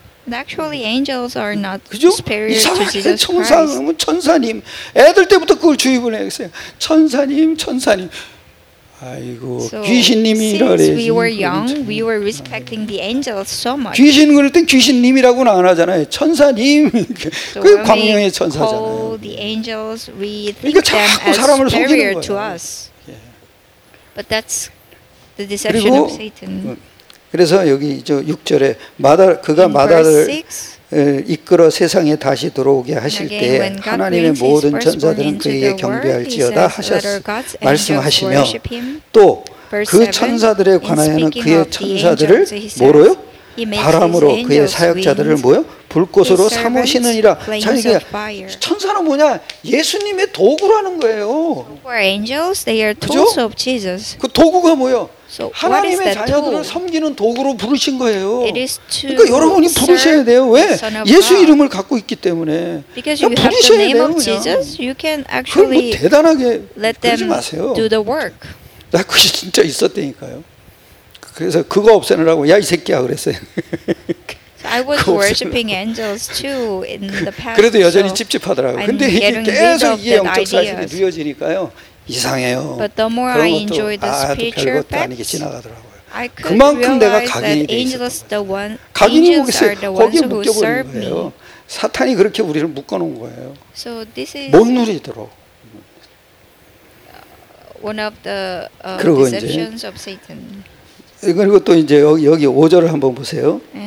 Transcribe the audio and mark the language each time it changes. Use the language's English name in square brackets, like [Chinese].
[English] Actually, angels are not superior to Jesus. [Korean] 천사님은 천사님. 애들 때부터 그걸 주입을 했어요. 천사님, 천사님. 아이고 so, 귀신님이 이러래. [English] Since we were young, we were respecting the angels so much. [Korean] 귀신 그럴 땐 귀신님이라고는 안 하잖아요. 천사님. 그 광명의 천사잖아요. [English] So the angels, we think them as superior to us. But that's the deception of Satan. [Korean] 그래서 여기 저 6절에 그가 마다를 이끌어 세상에 다시 들어오게 하실 때 하나님의 모든 천사들은 그에게 경배할지어다 말씀하시며 또 그 천사들에 관하여는 그의 천사들을 뭐로요? 바람으로 그의 사역자들을 뭐요? 불꽃으로 삼으시느니라. 자 이게 천사는 뭐냐? 예수님의 도구라는 거예요. 그죠? 그 도구가 뭐요? 하나님의 자녀들을 섬기는 도구로 부르신 거예요. 그러니까 여러분이 부르셔야 돼요. 왜? 예수 이름을 갖고 있기 때문에. 그냥 부르셔야 돼요. 그냥. 그걸 뭐 대단하게 그러지 마세요. 나 그게 진짜 있었다니까요. 그래서 그거 없애느라고 야 이 새끼야 그랬어요. [English] I was worshiping angels too in the past. [Korean] 그래도 여전히 찝찝하더라고요. 근데 이게 계속 이게 영적 사실이 누여지니까요. 이상해요. [English] But the more I enjoy the spiritual facts, I could realize that angels are the one. [Korean] 각인이 뭐겠어요? 거기에 묶여버린 거예요. 사탄이 그렇게 우리를 묶어놓은 거예요. [English] So this is [Korean] 못 누리도록. [English] One of the deceptions of Satan. [Korean] 그리고 또 이제 여기 5절을 한번 보세요.